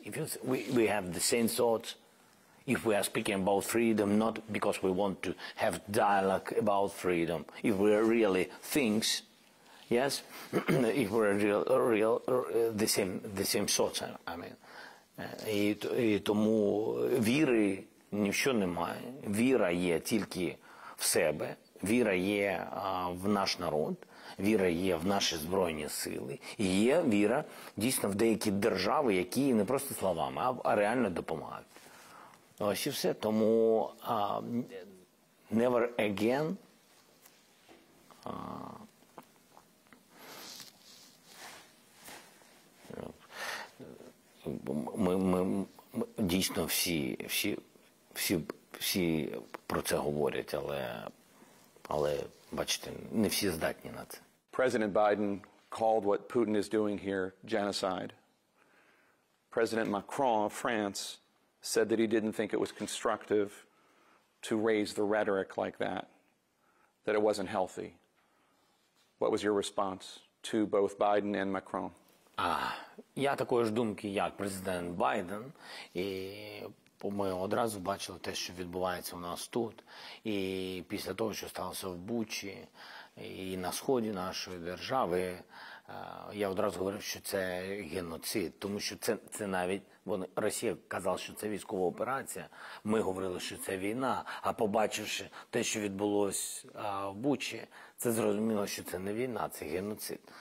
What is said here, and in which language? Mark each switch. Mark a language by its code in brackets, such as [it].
[en] If you we have the same thoughts, if we are speaking about freedom, not because we want to have dialogue about freedom, if we are really things, yes, if we're real, the same thoughts, I mean. [uk] І тому віри нічого немає. Віра є тільки в себе. Віра є в наш народ. Віра є в наші збройні сили. І є віра дійсно в деякі держави, які не просто словами, а реально допомагають. Ось і все. Тому [en] never again... [uk] Ми дійсно всі про це говорять, але бачите, не всі здатні на це. [en] President Biden called what Putin is doing here genocide. President Macron of France said that he didn't think it was constructive to raise the rhetoric like that, that it wasn't healthy. What was your response to both Biden and Macron? [uk] Я такої ж думки, як президент Байден, і ми одразу бачили те, що відбувається у нас тут. І після того, що сталося в Бучі, і на сході нашої держави, я одразу говорив, що це геноцид, тому що це навіть, вони, Росія казала, що це військова операція, ми говорили, що це війна, а побачивши те, що відбулося в Бучі, це зрозуміло, що це не війна, це геноцид.